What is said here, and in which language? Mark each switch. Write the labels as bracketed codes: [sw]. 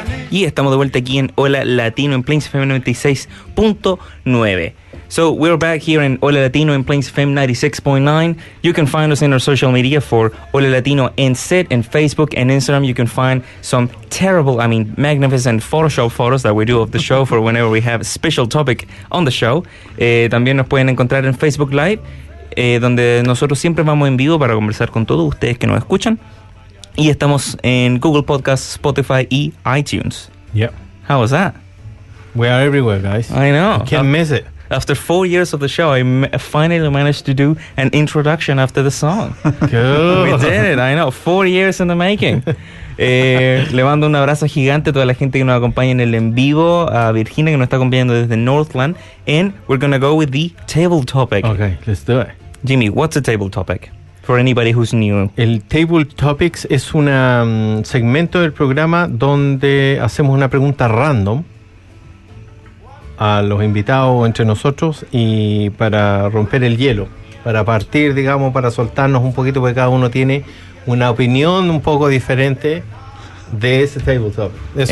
[es] Y estamos de vuelta aquí en Hola Latino en Plains FM 96.9. [en] So, we're back here in Hola Latino in Plains FM 96.9. You can find us in our social media for Hola Latino NZ and Facebook and Instagram. You can find some terrible, I mean, magnificent Photoshop photos that we do of the show for whenever we have a special topic on the show. [es] También nos pueden encontrar en Facebook Live, donde nosotros siempre vamos en vivo para conversar con todos ustedes que nos escuchan. Y estamos en Google Podcasts, Spotify y iTunes. [en] Yep. How was that? We are everywhere, guys. I know. I can't miss it. After 4 years of the show, I finally managed to do an introduction after the song. Cool. We did it. I know. 4 years in the making. [es] le mando un abrazo gigante a toda la gente que nos acompaña en el en vivo, a Virginia que nos está acompañando desde Northland. [en] And we're going to go with the table topic. Okay, let's do it. Jimmy, what's a table topic? For anybody who's new. [es] El Table Topics es un segmento del programa donde hacemos una pregunta random a los invitados entre nosotros y para romper el hielo, para partir, digamos, para soltarnos un poquito, porque cada uno tiene una opinión un poco diferente de ese Table Topic.